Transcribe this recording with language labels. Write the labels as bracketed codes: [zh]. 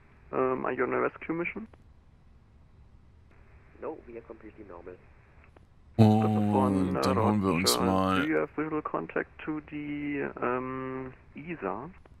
[en] Are you on a rescue mission? No, we are completely normal. [de] Und dann holen wir uns mal. [en] Do you have visual contact to the ESA?